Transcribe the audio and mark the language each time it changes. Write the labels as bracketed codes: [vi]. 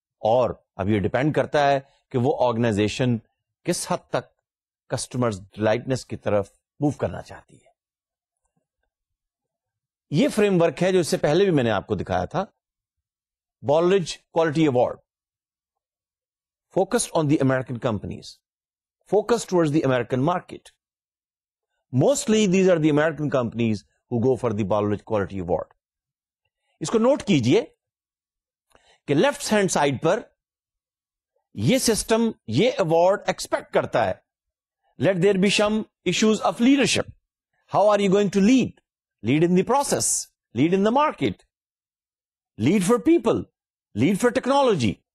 [ur] اور اب یہ ڈیپینڈ کرتا ہے کہ وہ آرگنائزیشن کس حد تک کسٹمرز ڈیلائٹنس کی طرف موو کرنا چاہتی ہے. یہ فریم ورک ہے جو اس سے پہلے بھی میں نے آپ کو دکھایا تھا, بالرج quality award, [en] Focused on the American companies, focus towards the American market. Mostly these are the American companies who go for the Baldrige quality award. [ur] اس کو نوٹ کیجئے کہ لیفٹ ہینڈ سائڈ پر یہ سسٹم یہ اوارڈ ایکسپیکٹ کرتا ہے, [en] Let there be some issues of leadership, how are you going to lead, lead in the process, lead in the market, lead for people, lead for technology.